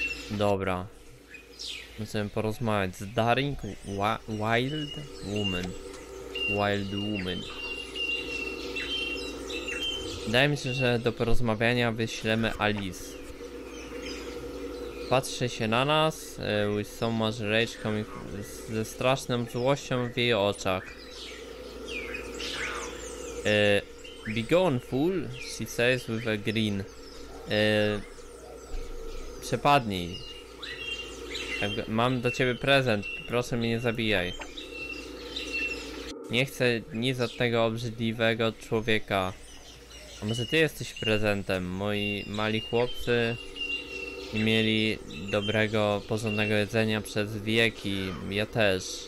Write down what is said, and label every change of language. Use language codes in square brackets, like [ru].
[pl] Dobra. Musimy porozmawiać z Daring Wild Woman. Wild Woman. Wydaje mi się, że do porozmawiania wyślemy Alice. Patrzy się na nas [en] with so much rage coming, [pl] ze straszną złością w jej oczach. [en] Be gone, fool, she says with a grin. [pl] Przepadnij. Mam do ciebie prezent, proszę mnie nie zabijaj. Nie chcę nic od tego obrzydliwego człowieka. A może ty jesteś prezentem? Moi mali chłopcy nie mieli dobrego, porządnego jedzenia przez wieki. Ja też.